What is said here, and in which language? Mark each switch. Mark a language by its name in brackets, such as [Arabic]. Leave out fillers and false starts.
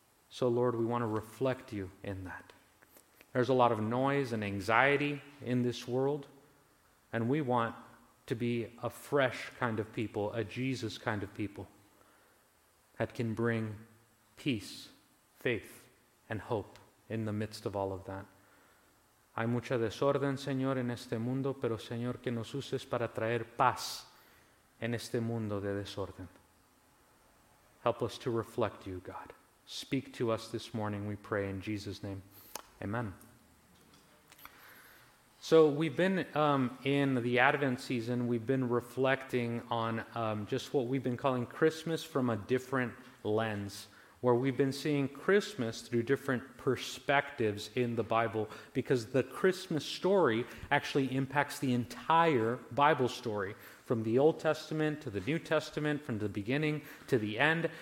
[English] So, Lord, we want to reflect you in that. There's a lot of noise and anxiety in this world, and we want to be a fresh kind of people, a Jesus kind of people that can bring peace, faith, and hope in the midst of all of that. [Spanish] Hay mucha desorden, Señor, en este mundo, pero Señor, que nos uses para traer paz en este mundo de desorden. [English] Help us to reflect you, God. Speak to us this morning, we pray in Jesus' name. Amen. So we've been in the Advent season, we've been reflecting on just what we've been calling Christmas from a different lens, where we've been seeing Christmas through different perspectives in the Bible, because the Christmas story actually impacts the entire Bible story, from the Old Testament to the New Testament, from the beginning to the end.